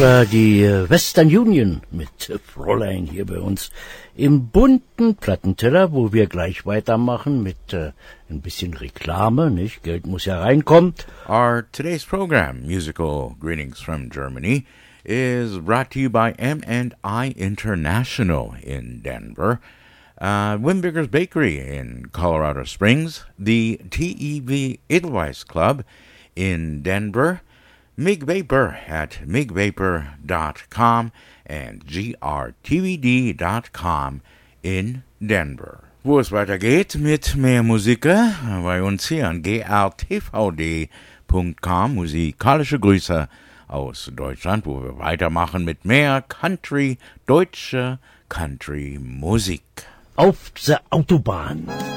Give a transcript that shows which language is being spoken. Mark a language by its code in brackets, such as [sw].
[de] Die Western Union mit Fräulein hier bei uns im bunten Plattenteller, wo wir gleich weitermachen mit ein bisschen Reklame, nicht? Geld muss ja reinkommen. [en] Our today's program, Musical Greetings from Germany, is brought to you by M&I International in Denver, Wimbiger's Bakery in Colorado Springs, the TEV Edelweiss Club in Denver, Mig Vapor at MigVapor.com and GRTVD.com in Denver. [de] Wo es weitergeht mit mehr Musik bei uns hier an GRTVD.com. Musikalische Grüße aus Deutschland, wo wir weitermachen mit mehr Country, deutsche Country-Musik. Auf der Autobahn.